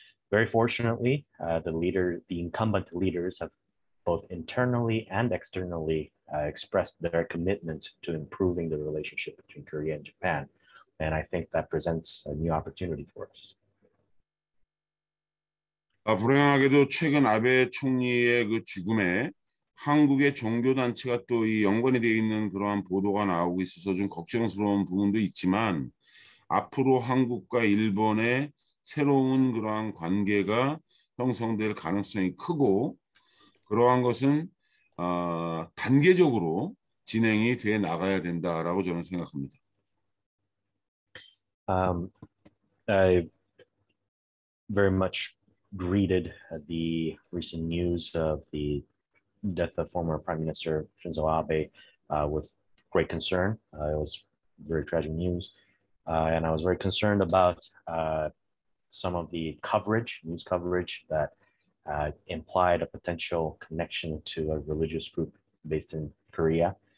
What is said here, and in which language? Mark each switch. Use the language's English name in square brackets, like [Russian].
[English] Very fortunately, the incumbent leaders have both internally and externally expressed their commitment to improving the relationship between Korea and Japan. And I think that presents a new opportunity for us. [Korean] 불행하게도 최근 아베 총리의 그 죽음에 한국의 종교단체가 또 이 연관이 되어 있는 그러한 보도가 나오고 있어서 좀 걱정스러운 부분도 있지만 앞으로 한국과 일본의 새로운 그러한 관계가 형성될 가능성이 크고 그러한 것은 단계적으로 진행이 돼 나가야 된다라고 저는 생각합니다. [English] I very much greeted the recent news of the death of former Prime Minister Shinzo Abe with great concern. It was very tragic news. And I was very concerned about some of the coverage, news coverage, that implied a potential connection to a religious group based in Korea.